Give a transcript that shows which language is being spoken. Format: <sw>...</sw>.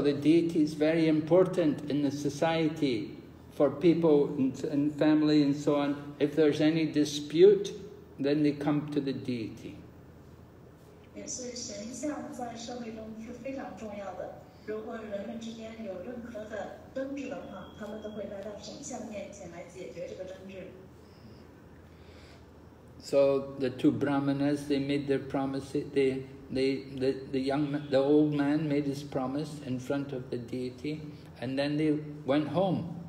<en>the deity is very important in the society for people and family and so on. If there's any dispute, then they come to the deity.</en> <zh>也是神像在社会中是非常重要的。</zh> <en>So the two brahmanas, they made their promise. The old man made his promise in front of the deity, and then they went home.</en>